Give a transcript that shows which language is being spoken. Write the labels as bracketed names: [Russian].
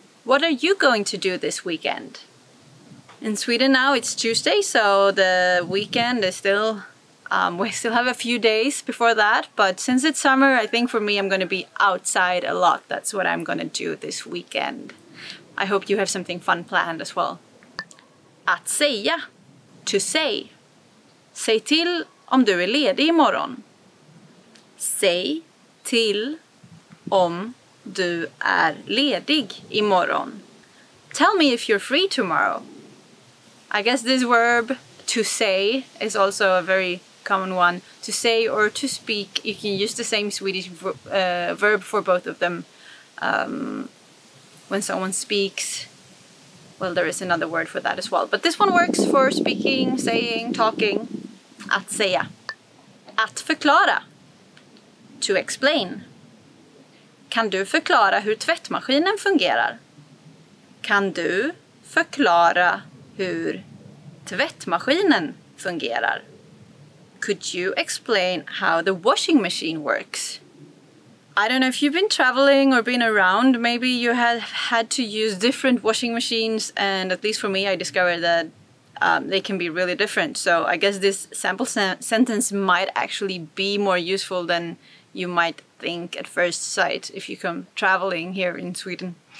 [English] What are you going to do this weekend? In Sweden now, it's Tuesday, so the weekend is still... We still have a few days before that, but since it's summer, I think for me, I'm going to be outside a lot. That's what I'm going to do this weekend. I hope you have something fun planned as well. [Swedish] Att säga. [English] To say. [Swedish] Säg till om du är ledig imorgon. Säg till om du är ledig imorgon. [English] Tell me if you're free tomorrow. I guess this verb, to say, is also a very... common one, to say or to speak. You can use the same Swedish verb for both of them. When someone speaks, well, there is another word for that as well. But this one works for speaking, saying, talking. [Swedish] Att säga. Att förklara. [English] To explain. [Swedish] Kan du förklara hur tvättmaskinen fungerar? Kan du förklara hur tvättmaskinen fungerar? [English] Could you explain how the washing machine works? I don't know if you've been traveling or been around, maybe you have had to use different washing machines, and at least for me, I discovered that they can be really different. So I guess this sample sentence might actually be more useful than you might think at first sight if you come traveling here in Sweden.